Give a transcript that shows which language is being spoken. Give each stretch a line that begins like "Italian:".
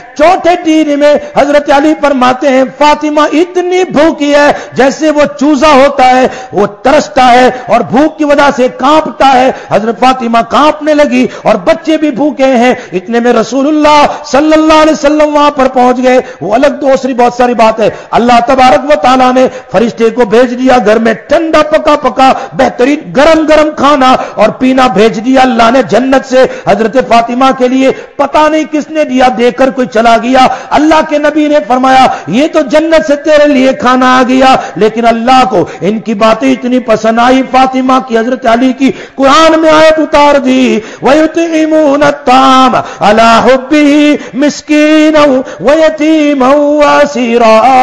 Urdu: چوتھے دن میں حضرت علی فرماتے ہیں فاطمہ اتنی بھوکی ہے جیسے وہ چوزا ہوتا ہے وہ ترستا ہے اور بھوک کی وجہ سے کانپتا ہے, حضرت فاطمہ کانپنے لگی اور بچے بھی بھوکے ہیں, اتنے میں رسول اللہ صلی اللہ علیہ وسلم وہاں پر پہنچ گئے, وہ الگ دوسری بہت ساری بات ہے. اللہ تبارک و تعالیٰ نے نے فرشتے کو بھیج دیا گھر میں ٹھنڈا پکا پکا بہترین گرم گرم کھانا اور پینا بھیج دیا اللہ نے جنت سے حضرت فاطمہ کے لیے. پتا نہیں کس نے دیا, دے کر کوئی چلا گیا. اللہ کے نبی نے فرمایا یہ تو جنت سے تیرے لیے کھانا آ گیا, لیکن اللہ کو ان کی باتیں اتنی پسند آئی فاطمہ کی, حضرت علی کی قرآن میں آیت اتار دی,
Arabic: وَيُطْعِمُونَ الطَّعَامَ عَلَى حُبِّهِ مِسْكِينًا وَيَتِيمًا وَأَسِيرًا